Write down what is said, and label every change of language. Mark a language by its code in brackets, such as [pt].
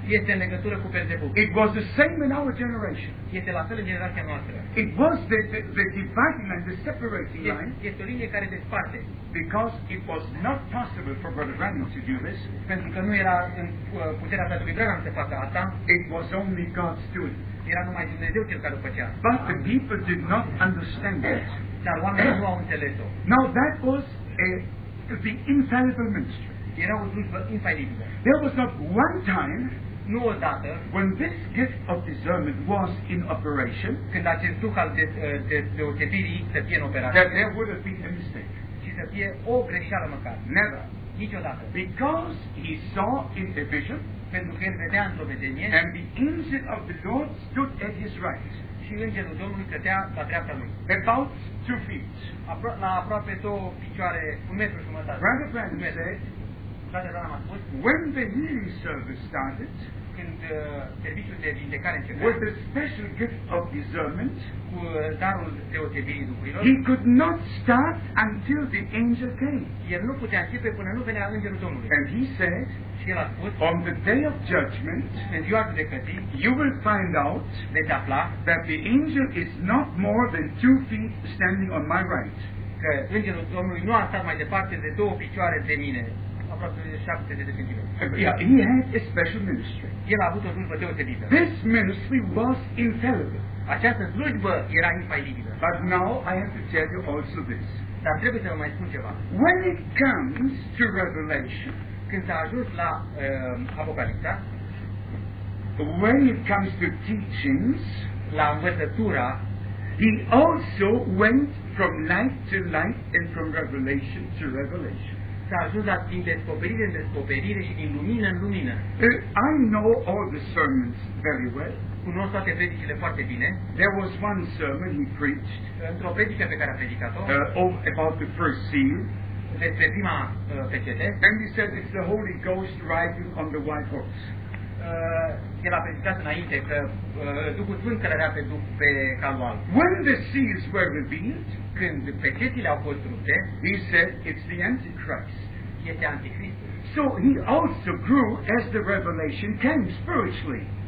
[ro] Este în legătură cu Beelzebub. [en] It was the same in our generation. [ro] Este la fel în generația noastră. [en] It was the dividing and the separating line. [ro] Este o linie care desparte. [en] Because it was not possible for Brother Branham to do this. [ro] Pentru că nu era în puterea Fratelui Branham să facă asta. [en] It was only God's doing. [ro] Era numai Dumnezeu cel care o făcea. [en] But the people did not understand it. [ro] Dar oamenii nu au înțeles-o. [en] Now that was the infallible ministry. [ro] Era o slujbă infailibilă. [en] There was not one time, [ro] nu o dată, [en] when this gift of discernment was in operation, [ro] când acest duh al deosebirii să fie în operație, [en] that there would have been a mistake. [ro] Ci să fie o greșeală măcar. [en] Never. [ro] Niciodată. [en] Because he saw in the vision, [ro] pentru că el vedea într-o vedenie, [en] and the angel of the Lord stood at his right, [ro] și îngerul Domnului stătea la dreapta lui. [en] About 2 feet. [ro] La aproape 2 picioare, 1 metru jumătate. [en] Brother Branham said, When the healing service started, [ro] când serviciul de vindecare începea, [en] with a special gift of discernment, [ro] cu darul deosebirii duhurilor, [en] he could not start until the angel came. [ro] El nu putea începe până nu venea îngerul Domnului. [en] And he said, [ro] și el a spus, [en] on the day of judgment, [ro] în ziua judecății, [en] you will find out, [ro] veți afla, [en] that the angel is not more than 2 feet standing on my right. [ro] Că îngerul Domnului nu a stat mai departe de 2 picioare de mine. [en] He had a special ministry. [ro] El a avut o slujbă deosebită. [en] This ministry was infallible. [ro] Această slujbă era infailibilă. [en] But now I have to tell you also this. [ro] Dar trebuie să vă mai spun ceva. [en] When it comes to revelation, [ro] când s-a ajuns la Apocalipsa, [en] when it comes to teachings, [ro] la învățătura, [en] he also went from light to light and from revelation to revelation. [ro] S-a ajuns la din descoperire în descoperire și din lumină în lumină. [en] I know all the sermons very well. [ro] Cunosc toate predicile foarte bine. [en] There was one sermon he preached. [ro] Într-o predică pe care a predicat-o. [en] About the first seal. [ro] Despre prima pecete. [en] And he said it's the Holy Ghost riding on the white horse. [ro] El a predicat înainte că Duhul Sfânt călărea pe duc pe calul alb. [en] When the seals were revealed, [ro] când pecetile au fost rupte, [en] he said it's the Antichrist. [ro] Este Antichristul. [en] So he also grew as the revelation came spiritually.